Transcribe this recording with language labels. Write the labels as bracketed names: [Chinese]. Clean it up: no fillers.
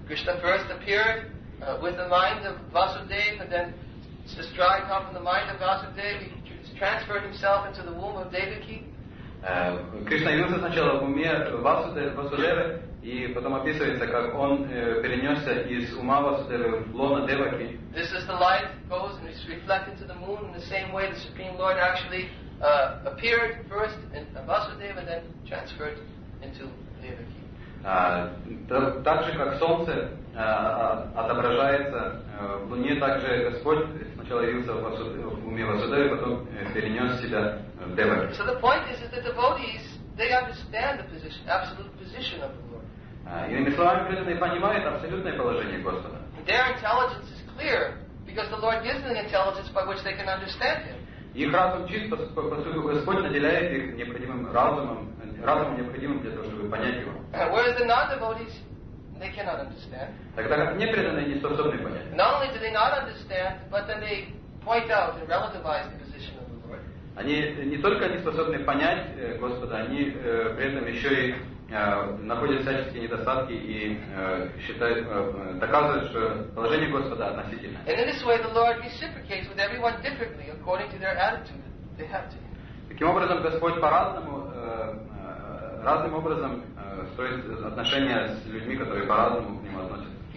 [English] Krishna first appeared with the mind of Vasudeva, and then described how from the mind of Vasudeva, he transferred himself into the womb of Devaki. [Russian] Krishna явился сначала в уме Васудевы, и потом описывается, как он перенесся из ума Васудевы в лоно Деваки. [English] This is the light that goes and is reflected to the moon in the same way the Supreme Lord actually appeared first in Vasudeva and then transferred into Devaki. [Russian] Так же, как Солнце отображается в Луне, так же Господь сначала явился в уме Васудевы, потом перенес себя в Деваки. [English] So the point is that the devotees, they understand the position, absolute position of the Lord. [Russian] Иными словами, преданные понимают абсолютное положение Господа. [English] Their intelligence is clear, because the Lord gives them the intelligence by which they can understand Him. [Russian] Их разум чист, поскольку Господь наделяет их необходимым разумом, разуму необходимым для того, чтобы понять его. [English] Whereas the non-devotees, they cannot understand. [Russian] Тогда как непреданные не способны понять. [English] Not only do they not understand, but then they point out and relativize the position of the Lord. [Russian] Они не только не способны понять Господа, они при этом еще и находят всяческие недостатки и считают, доказывают, что положение Господа относительно. [English] And in this way, the Lord reciprocates with everyone differently according to their attitude they have to Him. [Russian] Таким образом, Господь по-разному разным образом строит отношения с людьми, которые по-разному к Нему относятся.